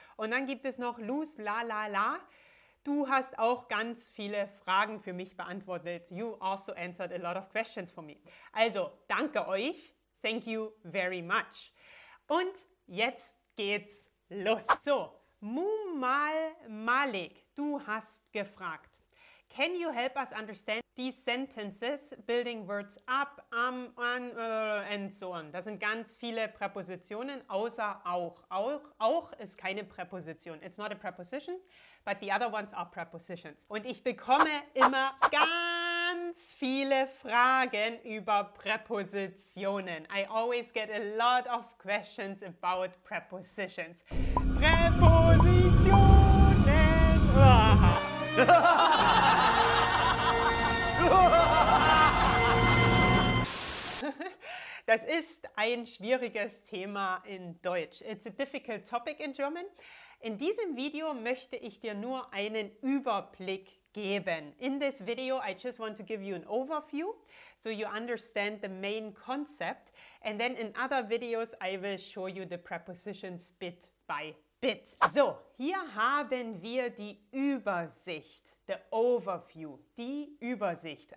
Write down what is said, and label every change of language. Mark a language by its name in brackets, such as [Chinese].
[German] Und dann gibt es noch Luz La La La. Du hast auch ganz viele Fragen für mich beantwortet. [English] You also answered a lot of questions for me. [German] Also, danke euch. [English] Thank you very much. [German] Und jetzt geht's los. So, Mumal Malik, du hast gefragt. [English] Can you help us understand these sentences, building words up, an, and so on? [German] Das sind ganz viele Präpositionen, außer auch. Auch ist keine Präposition. [English] It's not a preposition, but the other ones are prepositions. [German] Und ich bekomme immer ganz viele Fragen über Präpositionen. [English] I always get a lot of questions about prepositions. [German] Präpositionen! Das ist ein schwieriges Thema in Deutsch. [English] It's a difficult topic in German. [German] In diesem Video möchte ich dir nur einen Überblick geben. [English] In this video, I just want to give you an overview, so you understand the main concept. And then in other videos, I will show you the prepositions bit by bit. [German] So, hier haben wir die Übersicht, [English] the overview, [German] die Übersicht.